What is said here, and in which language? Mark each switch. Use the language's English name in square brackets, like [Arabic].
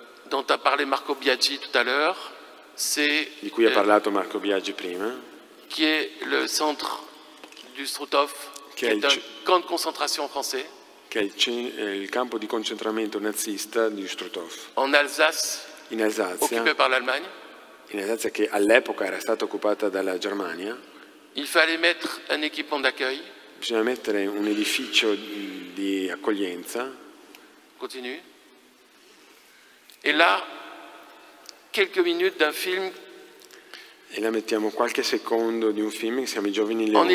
[French] Dont a parlé Marco Biagi tout à l'heure, c'est. [Italian] Di cui ha parlato Marco Biagi prima. [French] Qui est le centre du Struthof, qui est un camp de concentration français. [Italian] Che è il campo di concentramento nazista di Struthof. [French] En Alsace. [Italian] In Alsazia. [French] Occupé par l'Allemagne. [Italian] In Alsazia che all'epoca era stata occupata dalla Germania. [French] Il fallait mettre un équipement d'accueil. [Italian] Bisogna mettere un edificio di accoglienza. [French] Continue. E là, quelques minutes d'un film. [Italian] E là mettiamo qualche secondo di un film che si chiama I Giovani Leoni.